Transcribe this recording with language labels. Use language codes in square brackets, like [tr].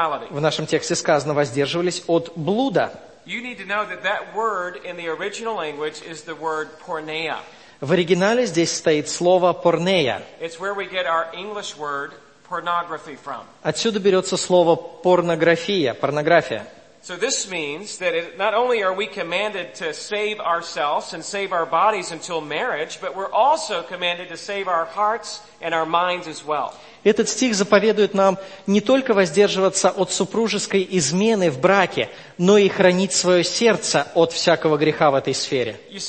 [ru] В нашем тексте сказано, воздерживались от блуда. [en] You need to know that that word in the original language is the word porneia. [ru] В оригинале здесь стоит слово порнея. [en] It's where we get our English word pornography from. [ru] Отсюда берется слово порнография, порнография. [en] So this means that not only are we commanded to save ourselves and save our bodies until marriage, but we're also commanded to save our hearts and our minds as well. [ru] Этот стих заповедует нам не только воздерживаться от супружеской измены в браке, но и хранить свое сердце от всякого греха в этой сфере.